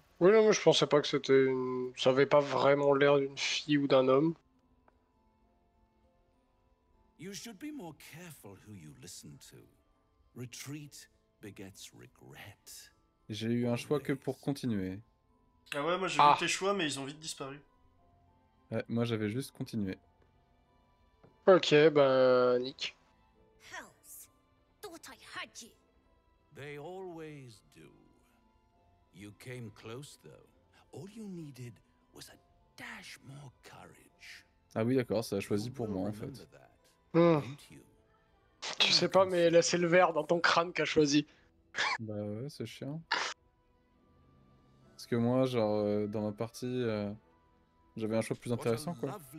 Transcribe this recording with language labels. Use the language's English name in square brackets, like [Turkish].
[French] Oui, non, mais je pensais pas que c'était une. Ça avait pas vraiment l'air d'une fille ou d'un homme. [English] You should be more careful who you listen to. Retreat. Begets regret. [French] J'ai eu un choix que pour continuer. Ah ouais, moi j'ai eu tes choix, mais ils ont vite disparu. Ouais, moi j'avais juste continué. Ok, bah Nick. [English] Hells, thought I had you. They always do. You came close though. All you needed was a dash more courage. [French] Ah oui, d'accord, ça a choisi pour moi en fait. Tu sais pas, mais là c'est le vert dans ton crâne qu'a choisi. Bah ouais, c'est chiant. Parce que moi, genre, dans ma partie, j'avais un choix plus intéressant, quoi.